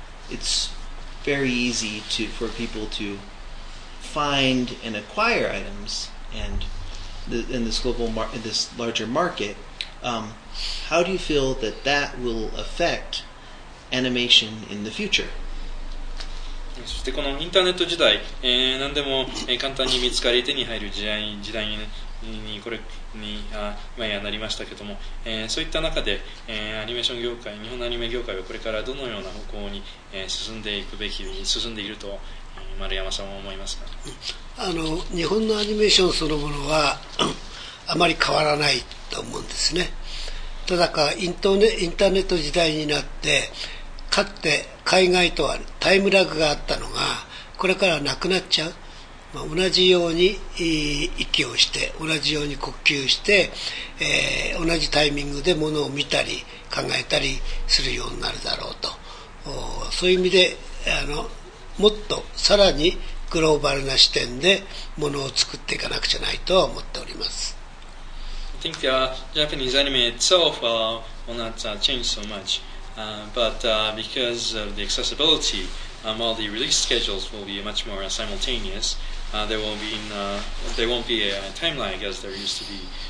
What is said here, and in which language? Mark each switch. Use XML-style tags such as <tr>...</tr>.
<en>It's very easy for people to find and acquire items and in this global this larger market. How do you feel that will affect animation in the future?</en> <ja>そしてこのインターネット時代、何でも簡単に見つかり手に入る時代にこれに前はなりましたけども、そういった中で、アニメーション業界、日本のアニメ業界はこれからどのような方向に進んでいくべき、進んでいると丸山さんは思いますか？日本のアニメーションそのものはあまり変わらないと思うんですね。ただかインターネット時代になってかつて海外とはタイムラグがあったのがこれからなくなっちゃう、まあ、同じように息をして同じように呼吸して、同じタイミングで物を見たり考えたりするようになるだろうと、そういう意味でもっとさらにグローバルな視点で物を作っていかなくちゃないとは思っております。</ja> <en>I think the Japanese anime itself will not change so much. But because of the accessibility, all the release schedules will be much more simultaneous. There won't be a time lag as there used to be.</en>